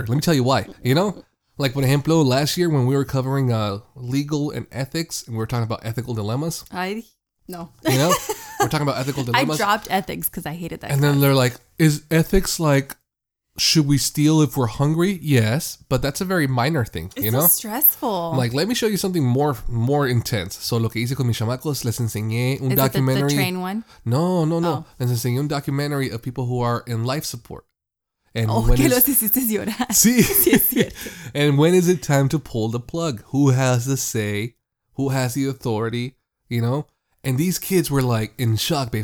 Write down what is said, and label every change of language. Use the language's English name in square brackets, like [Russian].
[English] Let me tell you why, you know? Like, for example, last year when we were covering legal and ethics, and we were talking about ethical dilemmas. You know? We're talking about ethical dilemmas. I dropped ethics because I hated that. And then they're like, is ethics like, should we steal if we're hungry? Yes, but that's a very minor thing, it's you know? It's so stressful. I'm like, let me show you something more intense. [Spanish] So lo que hice con mis chamacos, les enseñé un documentary. [English] Is it the train one? No, no, no. Oh. [Spanish] Les enseñé un [English] documentary of people who are in life support. And oh, when [Spanish] que los hiciste llorar. Sí. [English] And when is it time to pull the plug? Who has the say? Who has the authority? You know? And these kids were like in shock, babe.